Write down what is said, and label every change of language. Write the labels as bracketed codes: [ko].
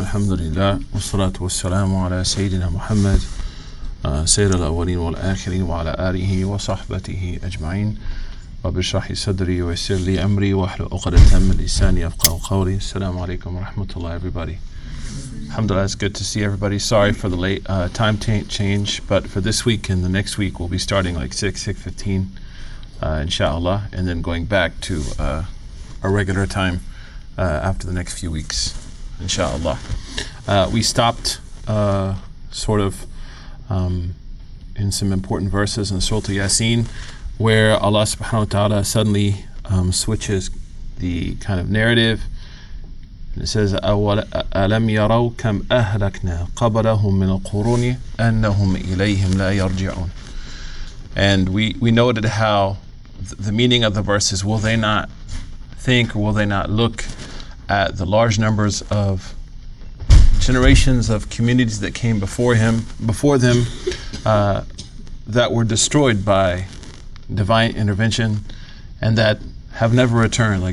[ar] الحمد لله والصلاة والسلام على سيدنا محمد سير الأولين والآخرين وعلى آله وصحبته أجمعين. وبشرح صدري ويسر لي أمري وحل أقدة من لساني يفقه قولي. السلام عليكم ورحمة الله everybody. [en] Alhamdulillah, it's good to see everybody. Sorry for the late time change, but for this week and the next week we'll be starting like 6:15 inshallah, and then going back to our regular time after the next few weeks inshallah. We stopped in some important verses in Surah Yasin, where Allah subhanahu wa ta'ala suddenly switches the kind of narrative. And it says, [ar] أَلَمْ يَرَوْ كَمْ أَهْلَكْنَا قَبَلَهُمْ مِنَ الْقُرُونِ أَنَّهُمْ إِلَيْهِمْ لَا يَرْجِعُونَ. [en] And we noted how the meaning of the verse is, will they not think, or will they not look at the large numbers of generations of communities that came before them that were destroyed by divine intervention and that have never returned?